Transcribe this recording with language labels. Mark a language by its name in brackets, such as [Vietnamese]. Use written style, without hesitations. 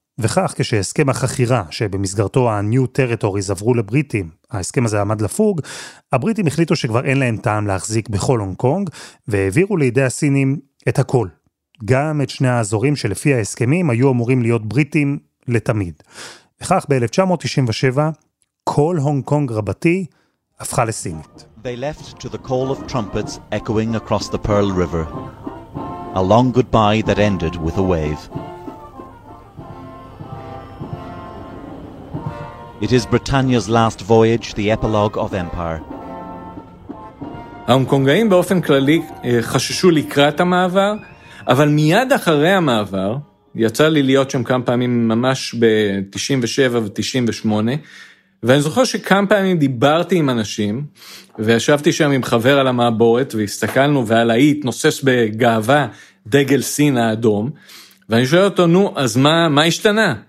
[Hebrew] וכך כשהסכם החכירה שבמסגרתו ה-New Territories עברו לבריטים, ההסכם הזה עמד לפוג, הבריטים החליטו שכבר אין להם טעם להחזיק בכל הונג קונג, והעבירו לידי הסינים את הכל. גם את שני האזורים שלפי ההסכמים היו אמורים להיות בריטים לתמיד. וכך ב-1997 כל הונג קונג רבתי הפכה לסינית. [English] They left to the call of trumpets echoing across the Pearl River. A long goodbye that ended with a wave. It is Britannia's last voyage, the epilogue of empire. [Hebrew] הונג קונגאים באופן כללי חששו לקראת המעבר, אבל מיד אחרי המעבר, יצא לי להיות שם כמה פעמים ממש ב-97 ו-98, ואני זוכר שכמה פעמים דיברתי עם אנשים, וישבתי שם עם חבר על המעבורת, והסתכלנו ועל האי התנוסס בגאווה דגל סין האדום, ואני שואל אותו, נו, אז מה השתנה?